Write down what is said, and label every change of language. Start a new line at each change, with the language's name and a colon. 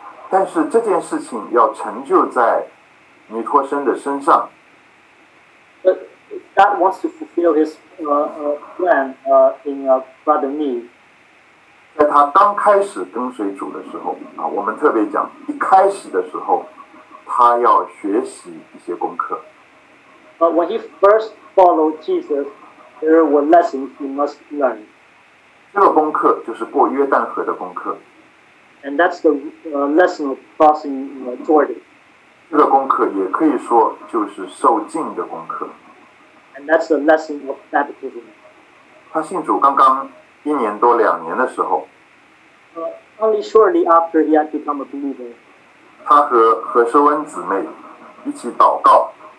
Chinese: 但是这件事情要成就在尼托生的身上。
English: God wants to fulfill his plan in Brother Me.
Chinese: 在他刚开始跟随主的时候，我们特别讲一开始的时候，他要学习一些功课。
English: When he first followed Jesus, there were lessons he must learn.
Chinese: 这个功课就是过约旦河的功课。
English: And that's the lesson of crossing Jordan.
Chinese: 这个功课也可以说就是受浸的功课。
English: And that's the lesson of baptism.
Chinese: 他信主刚刚一年多两年的时候，
English: Only shortly after he had become a believer.
Chinese: 他和何收恩姊妹一起祷告。